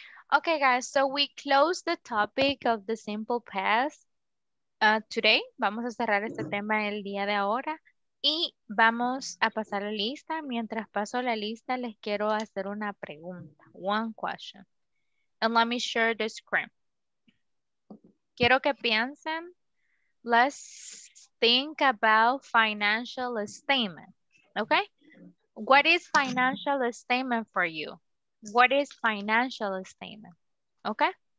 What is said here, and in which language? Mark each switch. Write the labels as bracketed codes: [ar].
[en] Okay, guys, so we close the topic of the simple past today. [es] Vamos a cerrar este tema el día de ahora y vamos a pasar la lista. Mientras paso la lista, les quiero hacer una pregunta. [en] One question. And let me share the screen. [es] Quiero que piensen, [en] let's think about financial statement, okay? What is financial statement for you? What is financial statement, okay?